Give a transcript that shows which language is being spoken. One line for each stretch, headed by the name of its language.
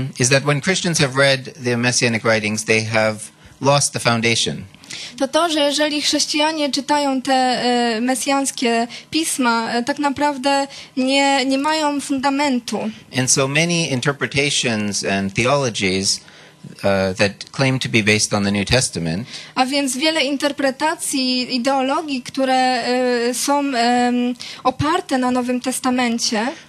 English: Is that when Christians have read the messianic writings they have lost the foundation.
Polish: To, że jeżeli chrześcijanie czytają te mesjańskie pisma, tak naprawdę nie mają fundamentu.
English: And so many interpretations and theologies that claim to be based on the New Testament.
Polish: A więc wiele interpretacji, ideologii, które są oparte na Nowym Testamencie,